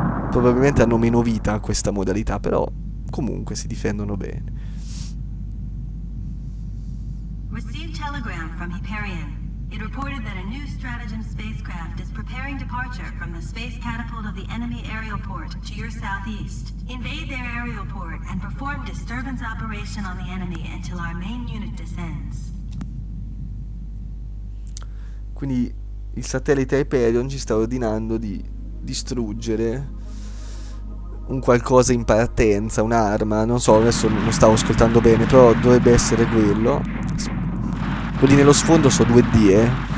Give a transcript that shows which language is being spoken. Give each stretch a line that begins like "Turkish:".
Italian: probabilmente hanno meno vita a questa modalità, però comunque si difendono bene.
English: Received telegram from Hyperion. It reported that a new Stratagem spacecraft is preparing departure from the space catapult of the enemy aerial port to your southeast. Invade their aerial port and perform disturbance operation on the enemy until our main unit descends.
Italian: Quindi il satellite Hyperion ci sta ordinando di distruggere un qualcosa in partenza, un'arma, non so, adesso non stavo ascoltando bene, però dovrebbe essere quello. Quelli nello sfondo sono 2D, eh.